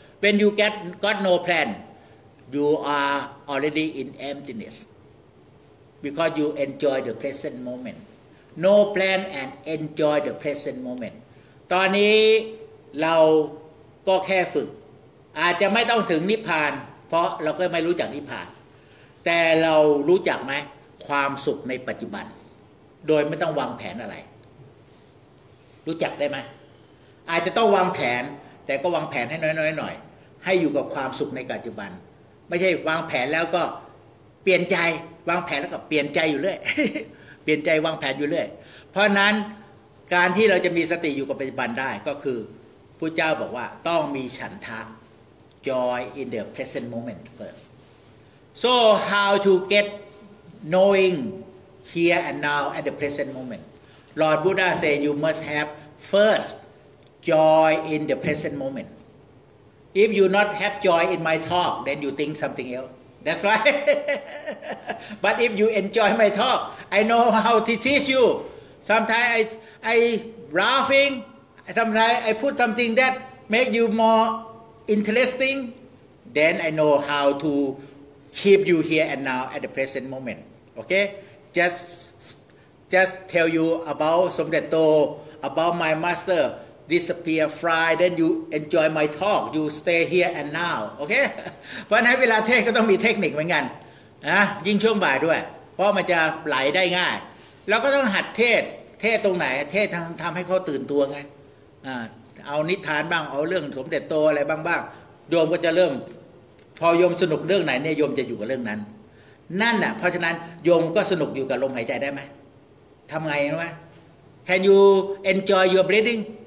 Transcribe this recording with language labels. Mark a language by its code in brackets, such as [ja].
[en] When you got no plan, you are already in emptiness because you enjoy the present moment. No plan and enjoy the present moment. [th] ตอนนี้เราก็แค่ฝึกอาจจะไม่ต้องถึงนิพพานเพราะเราก็ไม่รู้จักนิพพานแต่เรารู้จักไหมความสุขในปัจจุบันโดยไม่ต้องวางแผนอะไร รู้จักได้ไหมอาจจะต้องวางแผนแต่ก็วางแผนให้น้อยๆหน่อยให้อยู่กับความสุขในปัจจุบันไม่ใช่วางแผนแล้วก็เปลี่ยนใจวางแผนแล้วก็เปลี่ยนใจอยู่เรื่อย เปลี่ยนใจวางแผนอยู่เรื่อยเพราะนั้นการที่เราจะมีสติอยู่กับปัจจุบันได้ก็คือพุทธเจ้าบอกว่าต้องมีฉันทะ [en] joy in the present moment firstSo how to get knowing here and now at the present moment? Lord Buddha said you must have first joy in the present moment. If you not have joy in my talk, then you think something else. That's right. But if you enjoy my talk, I know how to teach you. Sometimes I laughing. Sometimes I put something that make you more interesting. Then I know how to. Keep you here and now at the present moment. Okay, just tell you about Somdetto, about my master disappear, fly. Then you enjoy my talk. You stay here and now. [th] Okay, เพราะฉะนั้นเวลาเทศก็ต้องมีเทคนิคเหมือนกันนะยิ่งช่วงบ่ายด้วยเพราะมันจะไหลได้ง่ายเราก็ต้องหัดเทศตรงไหนเทศทำให้เขาตื่นตัวไงเอานิทานบ้างเอาเรื่องSomdetto อะไรบ้างๆโยมก็จะเริ่มพอโยมสนุกเรื่องไหนเนี่ยโยมจะอยู่กับเรื่องนั้นนั่นน่ะเพราะฉะนั้นโยมก็สนุกอยู่กับลมหายใจได้ไหมทำไงรู้ไหม [en] Can you enjoy your breathing?